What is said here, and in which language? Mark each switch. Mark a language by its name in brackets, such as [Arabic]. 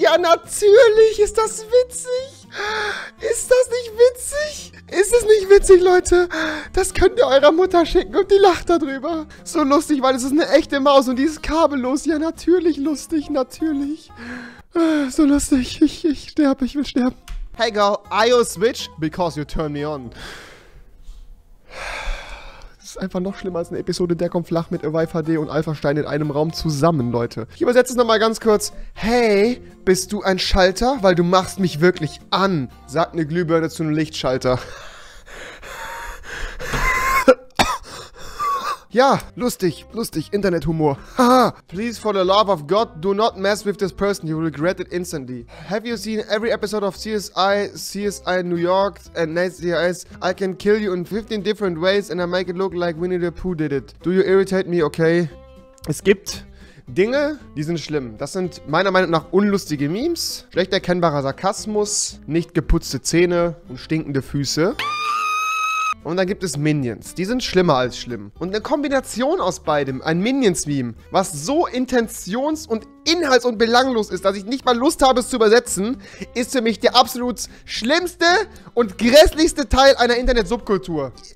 [German] Ja, natürlich. Ist das witzig? Ist das nicht witzig? Ist es nicht witzig, Leute? Das könnt ihr eurer Mutter schicken und die lacht darüber. So lustig, weil es ist eine echte Maus und die ist kabellos. Ja, natürlich lustig, natürlich. So lustig. Ich sterbe. Ich will sterben. [English] Hey, girl. I'll switch because you turn me on. [German] Das ist einfach noch schlimmer als eine Episode Der kommt flach mit Arrive HD und Alpha Stein in einem Raum zusammen, Leute. Ich übersetze es nochmal ganz kurz. Hey, bist du ein Schalter? Weil du machst mich wirklich an, sagt eine Glühbirne zu einem Lichtschalter. Ja, lustig, Internethumor. Haha. [English] Please, for the love of God, do not mess with this person. You will regret it instantly. Have you seen every episode of CSI New York and NCIS? I can kill you in 15 different ways and I make it look like Winnie the Pooh did it. Do you irritate me, okay? [German] Es gibt Dinge, die sind schlimm. Das sind meiner Meinung nach unlustige Memes, schlecht erkennbarer Sarkasmus, nicht geputzte Zähne und stinkende Füße. Und dann gibt es Minions. Die sind schlimmer als schlimm. Und eine Kombination aus beidem, ein Minions-Meme, was so intentions- und inhalts- und belanglos ist, dass ich nicht mal Lust habe, es zu übersetzen, ist für mich der absolut schlimmste und grässlichste Teil einer Internet-Subkultur.